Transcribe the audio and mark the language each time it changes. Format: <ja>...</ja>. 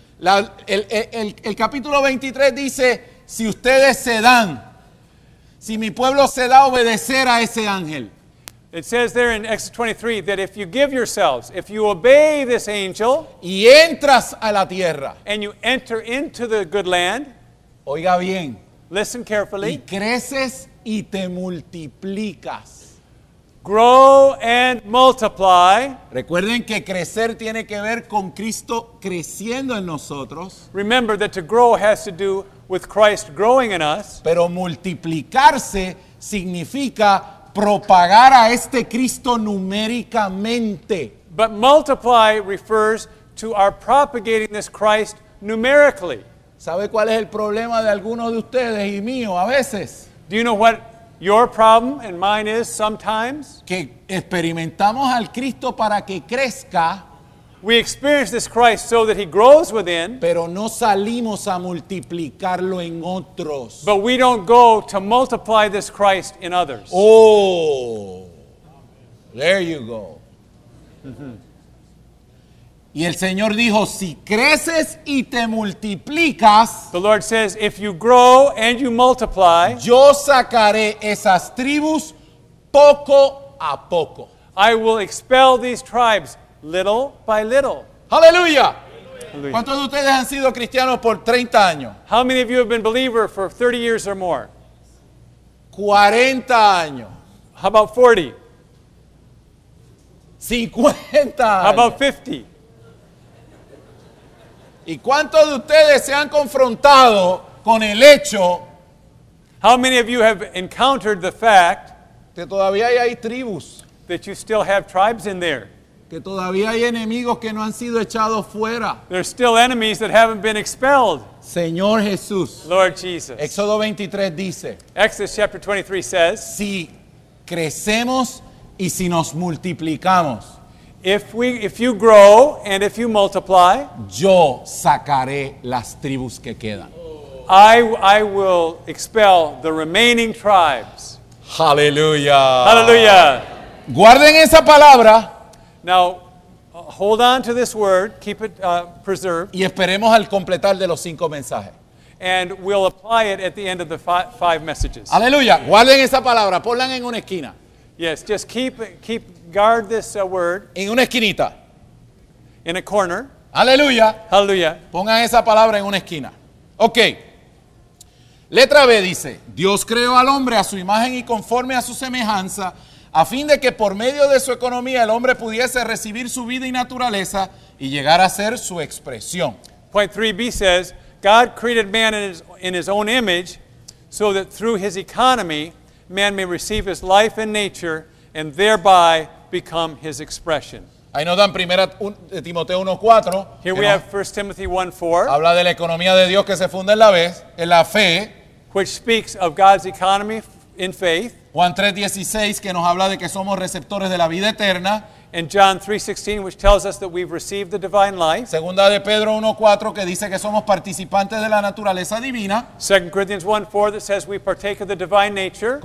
<es>El capítulo 23 dice, si ustedes se dan, si mi pueblo se da a obedecer a ese ángel.</es> <en>It says there in Exodus 23 that if you give yourselves, if you obey this angel,</en> <es>y entras a la tierra,</es> <en>and you enter into the good land,</en> <es>oiga bien,</es> <en>listen carefully,</en> <es>y creces y te multiplicas.</es> <en>Grow and multiply.</en> <es>Recuerden que crecer tiene que ver con Cristo creciendo en nosotros.</es> <en>Remember that to grow has to do with Christ growing in us.</en> <es>Pero multiplicarse significa propagar a este Cristo numéricamente.</es> <en>But multiply refers to our propagating this Christ numerically.</en> <es>¿Sabe cuál es el problema de algunos de ustedes y mío a veces?</es> <en>Do you know what your problem and mine is sometimes?</en> <es>Que experimentamos al Cristo para que crezca.</es> <en>We experience this Christ so that he grows within.</en> <es>Pero no salimos a multiplicarlo en otros.</es> <en>But we don't go to multiply this Christ in others. Oh, there you go.</en> <es>Y el Señor dijo, si creces y te multiplicas,</es> <en>the Lord says, if you grow and you multiply,</en> <es>yo sacaré esas tribus poco a poco.</es> <en>I will expel these tribes little by little.</en> <es>¡Aleluya! ¿Cuántos de ustedes han sido cristianos por 30 años?</es> <en>How many of you have been believers for 30 years or more?</en> <es>40 años.</es> <en>How about 40?</en> <es>50 años.</es> <en>How about 50?</en> <es>¿Y cuántos de ustedes se han confrontado con el hecho.</es> <en>How many of you have encountered the fact</en> <es>que todavía hay tribus,</es> <en>that you still have tribes in there?</en> <es>Que todavía hay enemigos que no han sido echados fuera.</es> <en>There's still enemies that haven't been expelled.</en> <es>Señor Jesús.</es> <en>Lord Jesus.</en> <es>Éxodo 23 dice.</es> <en>Exodus chapter 23 says.</en> <es>Si crecemos y si nos multiplicamos.</es> <en>If you grow and if you multiply.</en> <es>Yo sacaré las tribus que quedan.</es> <en>I will expel the remaining tribes.</en> <es>Hallelujah.</es> <en>Hallelujah.</en> <es>Guarden esa palabra.</es> <en>Now, hold on to this word. Keep it preserved.</en> <es>Y esperemos al completar de los cinco mensajes.</es> <en>And we'll apply it at the end of the five messages.</en> <es>Hallelujah. Guarden esa palabra. Ponla en una esquina.</es> <en>Yes, just keep guard this word.</en> <es>En una esquinita.</es> <en>In a corner.</en> <es>Hallelujah.</es> <en>Hallelujah.</en> <es>Pongan esa palabra en una esquina. Ok. Letra B dice, Dios creó al hombre a su imagen y conforme a su semejanza, a fin de que por medio de su economía el hombre pudiese recibir su vida y naturaleza y llegar a ser su expresión.</es> <en>Point 3B says, God created man in his own image so that through his economy, man may receive his life and nature and thereby become his expression.</en> <es>Ahí nos dan 1 Timoteo 1:4.</es> <en>Here we have 1 Timothy 1:4.</en> <es>Habla de la economía de Dios que se funda en la fe.</es> <en>Which speaks of God's economy in faith.</en> <es>Juan 3:16 que nos habla de que somos receptores de la vida eterna.</es> <en>And John 3:16 which tells us that we've received the divine life.</en> <es>Segunda de Pedro 1:4 que dice que somos participantes de la naturaleza divina.</es> <en>2 Corinthians 1:4 that says we partake of the divine nature.</en>